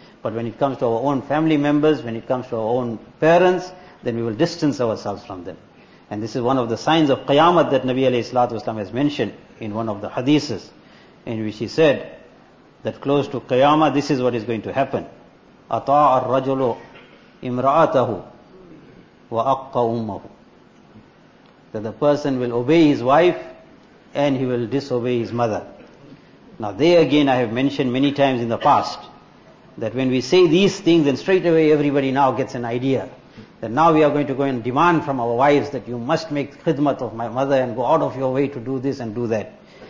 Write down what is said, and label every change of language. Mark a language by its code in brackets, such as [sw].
[en] But when it comes to our own family members, when it comes to our own parents, then we will distance ourselves from them. And this is one of the signs of Qiyamah that Nabi alayhi salatu wasalam has mentioned in one of the hadiths, in which he said that close to Qiyamah, this is what is going to happen. [ar] أَطَاعَ الرَّجُلُ إِمْرَأَتَهُ وَأَقَّ أُمَّهُ. [en] That the person will obey his wife and he will disobey his mother. Now they again I have mentioned many times in the past that when we say these things, then straight away everybody now gets an idea. That now we are going to go and demand from our wives that you must make khidmat of my mother and go out of your way to do this and do that.